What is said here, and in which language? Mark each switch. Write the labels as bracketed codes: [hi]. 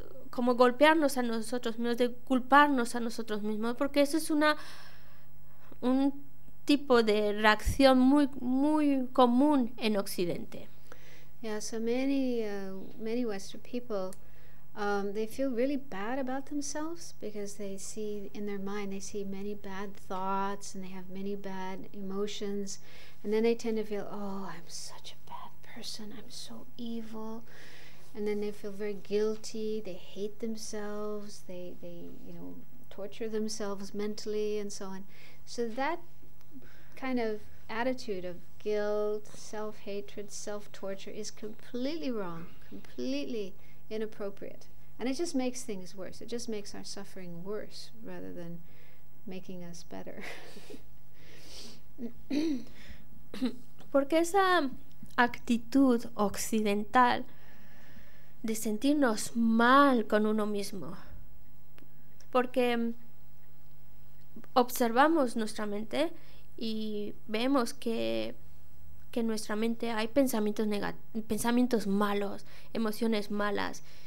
[es] como golpearnos a nosotros mismos, de culparnos a nosotros mismos, porque eso es un tipo de reacción muy muy común en Occidente. [en] Yeah, so many Western people, they feel really bad about themselves because they see in their mind, they see many bad thoughts and they have many bad emotions, and then they tend to feel, oh, I'm such a bad person, I'm so evil. And then they feel very guilty, they hate themselves, they you know, torture themselves mentally and so on. So that kind of attitude of guilt, self-hatred, self-torture is completely wrong, completely inappropriate. And it just makes things worse. It just makes our suffering worse rather than making us better. [es] Porque esa actitud occidental de sentirnos mal con uno mismo, porque observamos nuestra mente y vemos que en nuestra mente hay pensamientos malos, emociones malas,